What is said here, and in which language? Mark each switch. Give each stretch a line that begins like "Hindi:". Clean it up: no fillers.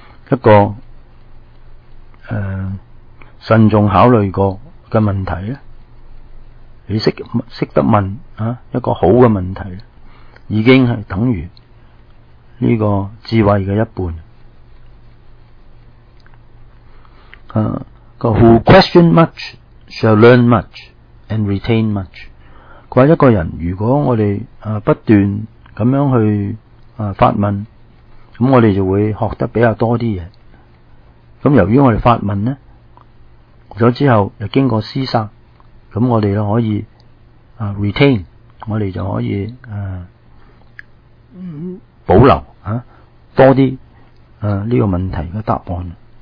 Cantonese: 一个慎重考虑过嘅问题呢，你懂得问一个好嘅问题，已经系等于呢个智慧嘅一半。
English: Who question much shall learn much and retain much。
Cantonese: 佢话一个人如果我哋不断咁样去发问，咁我哋就会学得比较多啲嘢。咁由于我哋发问呢，咗之后又经过思索，咁我哋可以retain， 我哋就可以保留多啲呢个问题嘅答案。